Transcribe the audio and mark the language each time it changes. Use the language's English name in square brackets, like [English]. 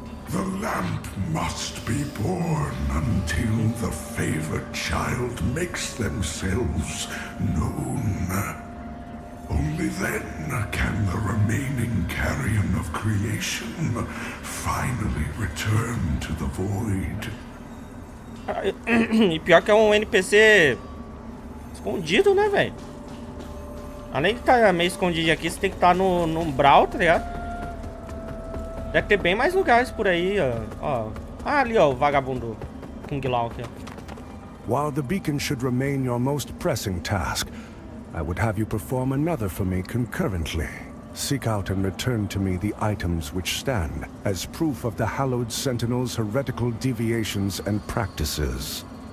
[English] The lamp must be born until the favored child makes themselves known. Only then can the remaining carrion of creation finally return to the void. [Portuguese] E pior que é um NPC escondido, né, velho? Além de estar meio escondido aqui, você tem que estar no umbral, tá ligado? Deve ter bem mais lugares por aí, ó. Ah, ali, ó, o vagabundo King Lau aqui. [English] While the beacon should remain your most pressing task, I would have you perform another for me concurrently. Seek out and return to me the items which stand as proof of the hallowed sentinel's heretical deviations and practices.